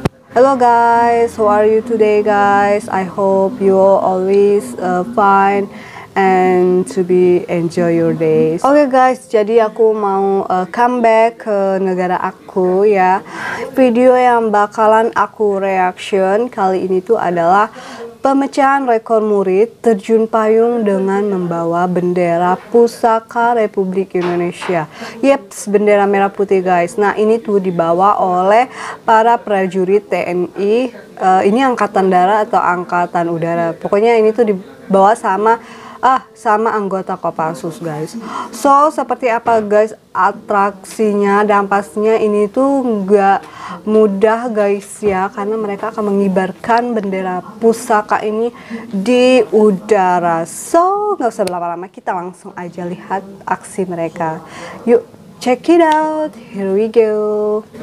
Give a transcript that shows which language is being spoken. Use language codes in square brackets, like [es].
[en] Hello guys, how are you today guys? I hope you are always fine and to be enjoy your days. [id] Okay guys, jadi aku mau comeback ke negara aku ya. Video yang bakalan aku reaction kali ini tuh adalah pemecahan rekor murid terjun payung dengan membawa bendera pusaka Republik Indonesia. Yeps, bendera merah putih guys. Nah ini tuh dibawa oleh para prajurit TNI. Ini angkatan darat atau angkatan udara. Pokoknya ini tuh dibawa sama anggota Kopassus guys. So seperti apa guys atraksinya, dan pastinya ini tuh nggak mudah guys ya, karena mereka akan mengibarkan bendera pusaka ini di udara. So nggak usah berlama-lama, kita langsung aja lihat aksi mereka. [en] Yuk check it out, here we go.